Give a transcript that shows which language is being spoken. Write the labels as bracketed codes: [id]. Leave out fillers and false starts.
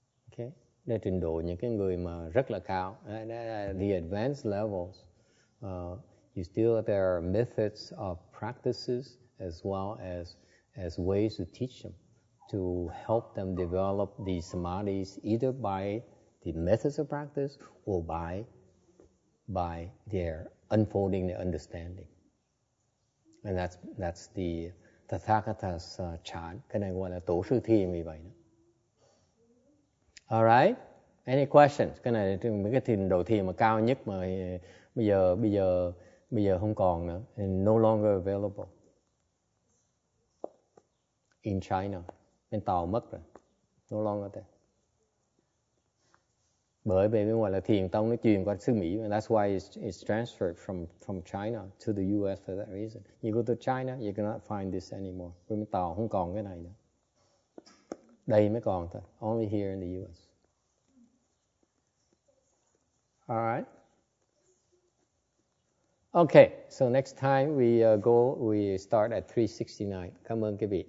[en] Ok, [vi] để trình độ những cái người mà rất là cao, [en] the advanced levels, you still there are methods of practices as well as ways to teach them, to help them develop the samadhis either by the methods of practice or by their unfolding their understanding. And that's the Tathagata's chant. [vi] Cái này gọi là tổ sư thiền vì vậy. [en] All right? Any questions? [vi] Cái này mấy cái thiền đầu thiền mà cao nhất mà bây giờ không còn nữa. [en] And no longer available in China. [vi] Bên Tàu mất rồi. [en] No longer there. [vi] Bởi vì gọi là thiền tông nó truyền qua xứ Mỹ, [en] and that's why it's transferred from China to the US for that reason. You go to China, you cannot find this anymore. [vi] Bên Tàu không còn cái này nữa. Đây mới còn thôi. [en] Only here in the US. All right. Okay, so next time we start at 369. [vi] Cảm ơn quý vị.